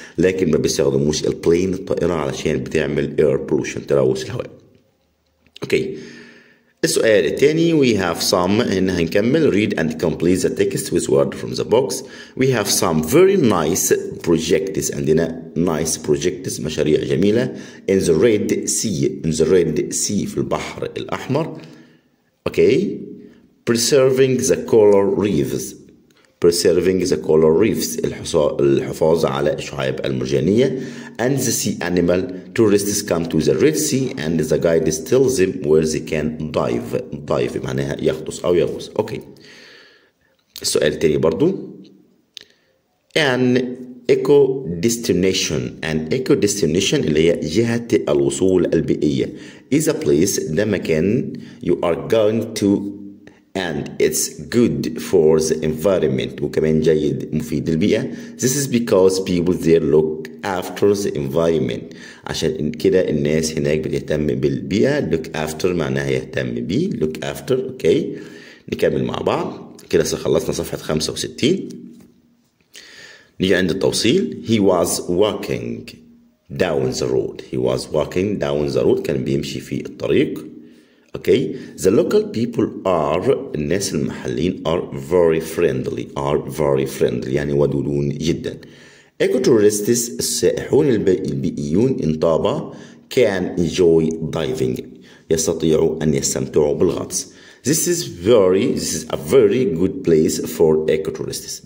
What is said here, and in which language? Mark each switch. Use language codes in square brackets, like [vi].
[ar] لكن ما بيستخدموش البلين الطائرة علشان بتعمل [en] air pollution [ar] تلوث الهواء. اوكي. السؤال الثاني. [en] We have some. [ar] إن هنكمل. [en] Read and complete the text with word from the box. We have some very nice projects. [ar] عندنا [en] nice projects. [ar] مشاريع جميلة. [en] In the Red Sea. In the Red Sea. [ar] في البحر الأحمر. [en] Okay. Preserving the coral reefs. Preserving the coral reefs. [ar] الحفاظ على الشعاب المرجانية. [en] And the sea animal. Tourists come to the Red Sea and the guide tells them where they can dive. [ar] Dive معناها يغطس أو يغوص. Okay. السؤال التاني برضو. [en] An eco destination [ar] اللي هي جهة الوصول البيئية. [en] Is a place the مكان you are going to and it's good for the environment. [ar] وكمان جيد مفيد للبيئة. [en] This is because people there look after the environment. [ar] عشان كده الناس هناك بتهتم بالبيئة. Look after معناها يهتم بي. Look after. Okay. نكمل مع بعض. كده خلصنا صفحة 65. نيجي عند التوصيل. [en] He was walking down the road. He was walking down the road. [ar] كان بيمشي في الطريق. [en] Okay. The local people are, [ar] الناس المحليين [en] are very friendly. Are very friendly. [ar] يعني ودودون جدا. [en] Ecotourists, [ar] السائحون البيئيون [en] in Taba can enjoy diving. [ar] يستطيعوا أن يستمتعوا بالغطس. [en] This is a very good place for ecotourists.